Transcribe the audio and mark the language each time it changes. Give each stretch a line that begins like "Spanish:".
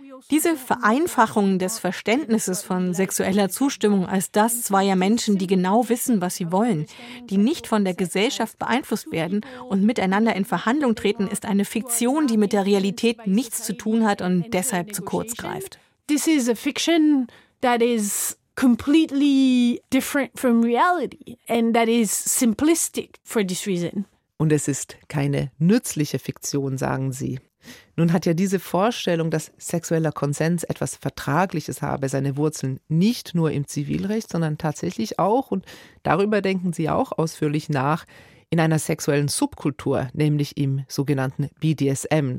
German: Diese Vereinfachung des Verständnisses von sexueller Zustimmung als das zweier Menschen, die genau wissen, was sie wollen, die nicht von der Gesellschaft beeinflusst werden und miteinander in Verhandlung treten, ist eine Fiktion, die mit der Realität nichts zu tun hat und deshalb zu kurz greift.
English: This is a fiction that is completely different from reality and that is simplistic for this reason.
German: Und es ist keine nützliche Fiktion, sagen Sie. Nun hat ja diese Vorstellung, dass sexueller Konsens etwas Vertragliches habe, seine Wurzeln nicht nur im Zivilrecht, sondern tatsächlich auch, und darüber denken Sie auch ausführlich nach, in einer sexuellen Subkultur, nämlich im sogenannten BDSM.